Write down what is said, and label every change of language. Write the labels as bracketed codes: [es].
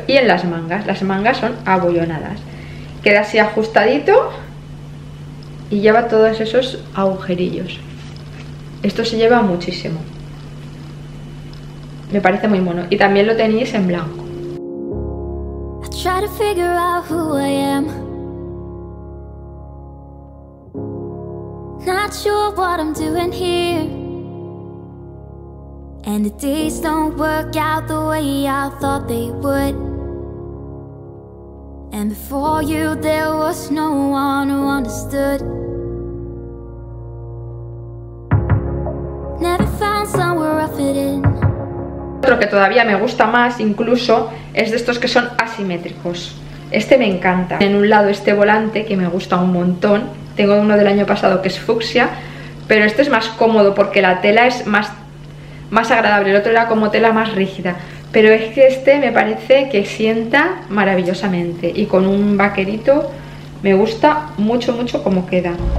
[es] Y en las mangas son abullonadas. Queda así ajustadito y lleva todos esos agujerillos. Esto se lleva muchísimo. Me parece muy mono. Y también lo tenéis en blanco. [en] I try to figure out who I am. Not sure what I'm doing here. And the days don't work out the way I thought they would. And before you there was no one who understood. Never found somewhere I fit in. [es] Otro que todavía me gusta más incluso es de estos que son asimétricos. Este me encanta. En un lado este volante que me gusta un montón. Tengo uno del año pasado que es fucsia, pero este es más cómodo porque la tela es más agradable. El otro era como tela más rígida, pero es que este me parece que sienta maravillosamente y con un vaquerito me gusta mucho mucho cómo queda.